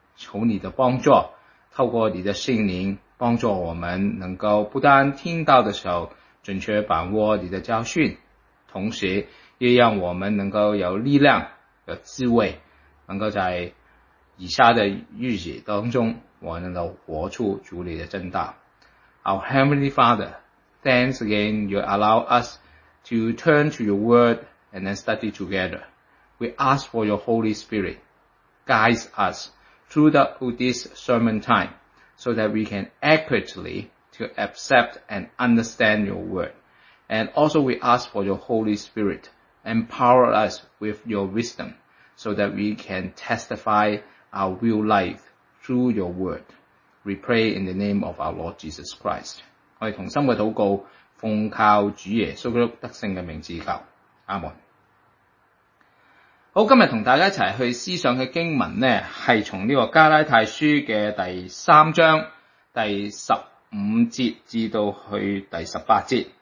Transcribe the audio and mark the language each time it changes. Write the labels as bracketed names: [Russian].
[Chinese] 求你的帮助，透过你的圣灵帮助我们能够不单听到的时候准确把握你的教训，同时也让我们能够有力量有智慧，能够在以下的日子当中我能够活出主你的正道。 [English] Our Heavenly Father, thanks again you allow us to turn to your word and then study together. We ask for your Holy Spirit, guide us through this sermon time so that we can accurately to accept and understand your word. And also we ask for your Holy Spirit, empower us with your wisdom so that we can testify our real life through your word. We pray in the name of our Lord Jesus Christ. [Chinese] 我们同心的祷告，奉靠主耶稣基督得胜的名字求，阿们。好，今天同大家一起去思想的经文呢，是从这个加拉太书的第三章第十五节至到去第十八节。